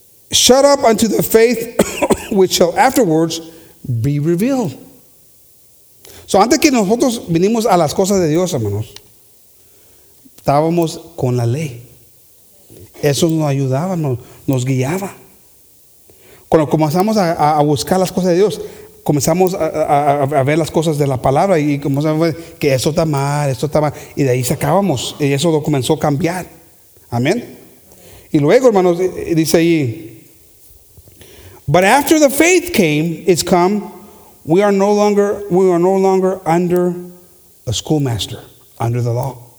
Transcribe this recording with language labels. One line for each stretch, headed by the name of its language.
English: Shut up unto the faith which shall afterwards be revealed.
Spanish: So antes que nosotros vinimos a las cosas de Dios, hermanos, estábamos con la ley. Eso nos ayudaba, nos guiaba. Cuando comenzamos a buscar las cosas de Dios, comenzamos a ver las cosas de la palabra y comenzamos a ver que esto está mal, y de ahí sacábamos, y eso lo comenzó a cambiar. Amén. Y luego, hermanos, dice ahí,
English: but after the faith came, it's come, we are no longer under a schoolmaster, under the law.